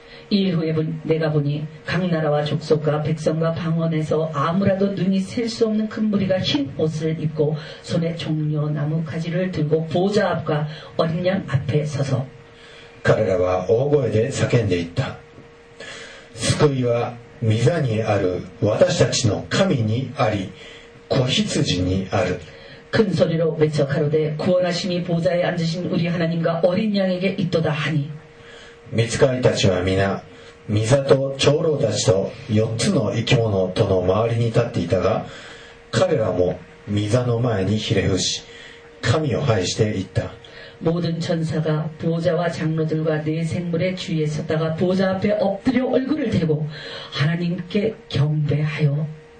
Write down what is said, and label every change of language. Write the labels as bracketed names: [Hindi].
[Korean] 이후에내가보니각나라와족속과백성과방언에서아무라도눈이셀수없는큰무리가흰옷을입고손에종려나무가지를들고보좌앞과어린양앞에서서 [Japanese] 彼らは大声で叫んでいった。救いは御座にある私たちの神にあり子羊にある。 [Korean] 큰소리로외쳐가로되구원하심이보좌에앉으신우리하나님과어린양에게있도다하니 [Japanese] 御使いたちは皆、御座と長老たちと四つの生き物との周りに立っていたが、彼らも御座の前にひれ伏し、神を拝していった。 [Korean] 모든천사가보좌와장로들과내생물의주위에섰다가보좌앞에엎드려얼굴을대고하나님께경배하여